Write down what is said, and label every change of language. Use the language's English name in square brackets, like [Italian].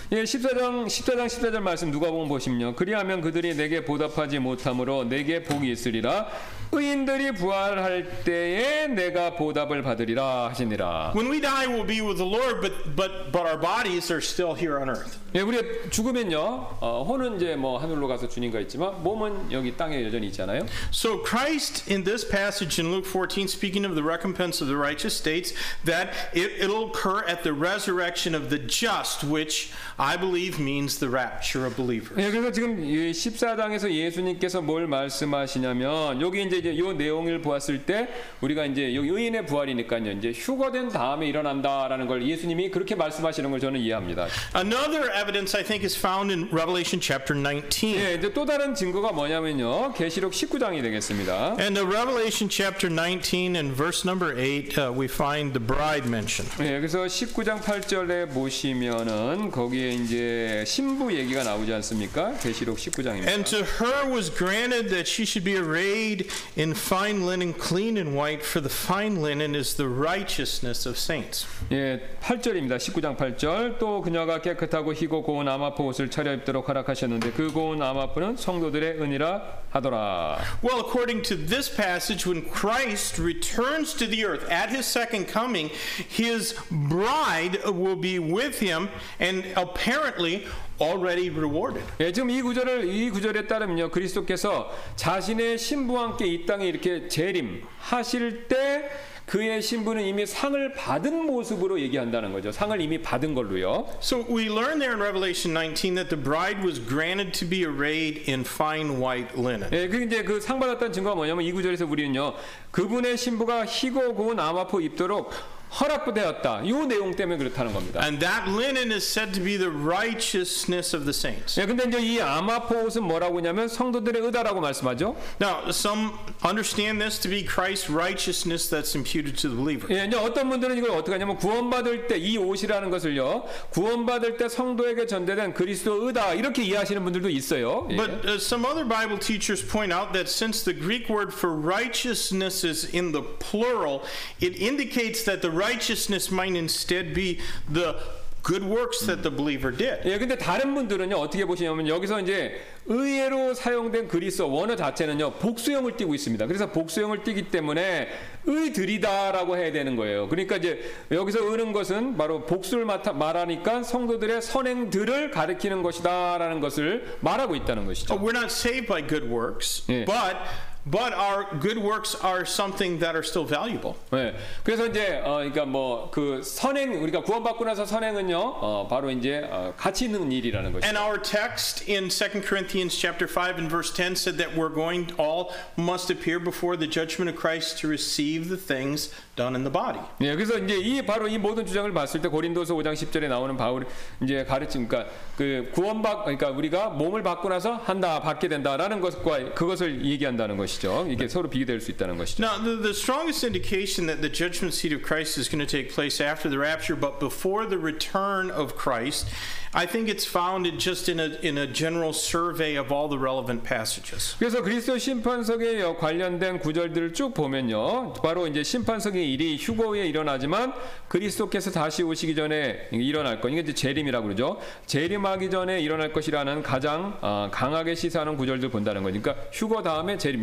[Korean] 예, 14장 14절 말씀 누가복음 보시면요. 그리하면 그들이 내게 보답하지 못함으로 내게 복이 있으리라. 의인들이 부활할 때에 내가 보답을 받으리라 하시니라. [English] When we die, we'll be with the Lord, but our bodies are still here on earth. [Korean] 예, 우리 죽으면요, 혼은 이제 뭐 하늘로 가서 주님과 있지만 몸은 여기 땅에 여전히 있잖아요. [English] So Christ in this passage in Luke 14, speaking of the recompense of the righteous, states that it'll occur at the resurrection of the just, which I believe means the rapture of believers. [Korean] 예, 그래서 지금 14장에서 예수님께서 뭘 말씀하시냐면 여기 이제 요 내용을 보았을 때 우리가 이제 의인의 부활이니까요, 이제 휴거된 다음에 일어난다라는 걸 예수님이 그렇게 말씀하시는 걸 저는 이해합니다. [English] Another evidence I think is found in Revelation chapter 19. [Korean] 네, 또 다른 증거가 뭐냐면요, 계시록 19장이 되겠습니다. [English] And the Revelation chapter 19 and verse number 8, we find the bride mentioned. [Korean] 네, 그래서 19장 8절에 보시면은 거기에 이제 신부 얘기가 나오지 않습니까? 계시록 19장입니다. [English] And to her was granted that she should be arrayed in fine linen, clean and white, for the fine linen is the righteousness of saints. [Korean] 예, 8절입니다. 19장 8절. 또 그녀가 깨끗하고 희고 고운 아마포 옷을 차려입도록 허락하셨는데 그 고운 아마포는 성도들의 은이라 하더라. [English] Well, according to this passage, when Christ returns to the earth at his second coming, his bride will be with him and apparently already rewarded. [Korean] 예, 지금 이 구절에 따르면요, 그리스도께서 자신의 신부와 함께 이 땅에 이렇게 재림하실 때 그의 신부는 이미 상을 받은 모습으로 얘기한다는 거죠. 상을 이미 받은 걸로요. [English] So we learn there in Revelation 19 that the bride was granted to be arrayed in fine white linen. [Korean] 예, 그 이제 그 상 받았다는 증거가 뭐냐면 이 구절에서 우리는요, 그분의 신부가 희고 고운 아마포 입도록 허락되었다, 이 내용 때문에 그렇다는 겁니다. [English] And that linen is said to be the righteousness of the saints. [Korean] 예, 근데 이제 이 아마포 옷은 뭐라고 하냐면 성도들의 의다라고 말씀하죠. [English] Now some understand this to be Christ's righteousness that's imputed to the believer. [Korean] 예, 이제 어떤 분들은 이걸 어떻게 하냐면 구원받을 때 이 옷이라는 것을요, 구원받을 때 성도에게 전달된 그리스도 의다 이렇게 이해하시는 분들도 있어요. 예. [English] But some other Bible teachers point out that since the Greek word for righteousness is in the plural, it indicates that the righteousness might instead be the good works that the believer did. [Korean] 예, 근데 다른 분들은요, 어떻게 보시냐면 여기서 이제 의외로 사용된 그리스어 원어 자체는요, 복수형을 띄고 있습니다. 그래서 복수형을 띄기 때문에 의들이다라고 해야 되는 거예요. 그러니까 이제 여기서 의는 것은 바로 복수를 말하니까 성도들의 선행들을 가리키는 것이다라는 것을 말하고 있다는 것이죠. [English] We're not saved by good works, 예. but But our good works are something that are still valuable. [Korean] 네, 그래서 이제 그러니까 뭐 그 선행 우리가 구원받고 나서 선행은요, 바로 이제 가치 있는 일이라는 것이죠. [English] And our text in 2 Corinthians chapter 5 and verse 10 said that we're going all must appear before the judgment of Christ to receive the things done in the body. [Korean] 네, 그래서 이제 이 바로 이 모든 주장을 봤을 때 고린도서 5장 10절에 나오는 바울 이제 가르침, 그러니까 그 구원받 그러니까 우리가 몸을 받고 나서 한다 받게 된다라는 것과 그것을 얘기한다는 것. 이게 서로 비교될 수 있다는 것이죠. [English] Now the strongest indication that the judgment seat of Christ is going to take place after the rapture, but before the return of Christ, I think it's found in just in a general survey of all the relevant passages. [Korean] 그래서 그리스도 심판석에 관련된 구절들을 쭉 보면요, 바로 이제 심판석의 일이 휴거에 일어나지만 그리스도께서 다시 오시기 전에 일어날 것, 이게 이제 재림이라고 그러죠. 재림하기 전에 일어날 것이라는 가장 강하게 시사하는 구절들 본다는 거니까 그러니까 휴거 다음에 재림.